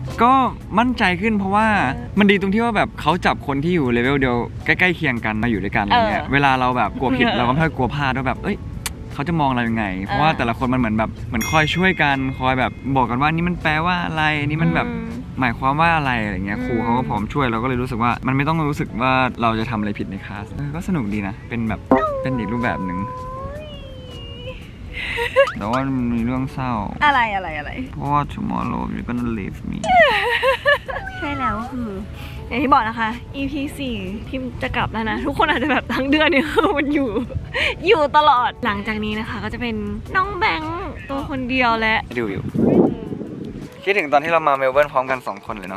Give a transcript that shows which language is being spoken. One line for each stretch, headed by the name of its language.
Thai: ก็มั่นใจขึ้นเพราะว่ามันดีตรงที่ว่าแบบเขาจับคนที่อยู่เลเวลเดียวใกล้ๆเคียงกันมาอยู่ด้วยกันอะไรเงี้ยเวลาเราแบบกลัวผิดเราก็ไม่ค่อยกลัวพลาดว่าแบบเอ้ยเขาจะมองเราอย่างไรเพราะว่าแต่ละคนมันเหมือนแบบเหมือนคอยช่วยกันคอยแบบบอกกันว่านี่มันแปลว่าอะไรนี่มันแบบ หมายความว่าอะไรอะไรเงี้ยครูเขาก็พร้อมช่วยเราก็เลยรู้สึกว่ามันไม่ต้องรู้สึกว่าเราจะทำอะไรผิดในคลาสก็สนุกดีนะเป็นแบบเป็นอีกรูปแบบนึงแต่ว่ามันมีเรื่องเศร้า อะไรอะไรอะไร เพราะว่า
English: tomorrow you're gonna leave me
Thai: ใช่แล้วคืออย่างที่บอกนะคะ EP 4พิมจะกลับแล้วนะทุกคนอาจจะแบบทั้งเดือนเนี่ยมันอยู่ตลอดหลังจากนี้นะคะก็จะเป็นน้องแบงค์ตัวคนเดียวและ ดูอยู่คิดถึงตอนที่เรามาเมลเบิร์นพร้อมกัน2คนเลยเน